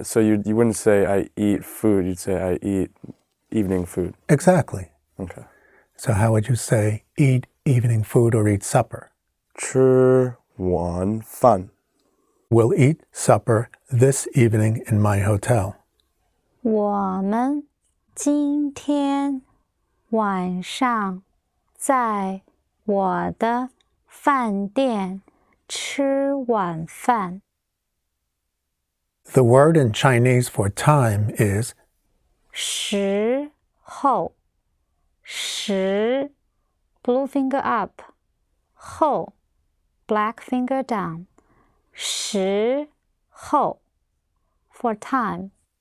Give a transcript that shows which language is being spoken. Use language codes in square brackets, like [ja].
[en] So you wouldn't say I eat food, you'd say I eat evening food. Exactly. Okay. So how would you say eat evening food or eat supper? Fun. We'll eat supper this evening in my hotel. [zh] 我们今天晚上在我的 饭店吃晚饭. [en] The word in Chinese for time is 时候.时, blue finger up. 后, black finger down. 时候, for time.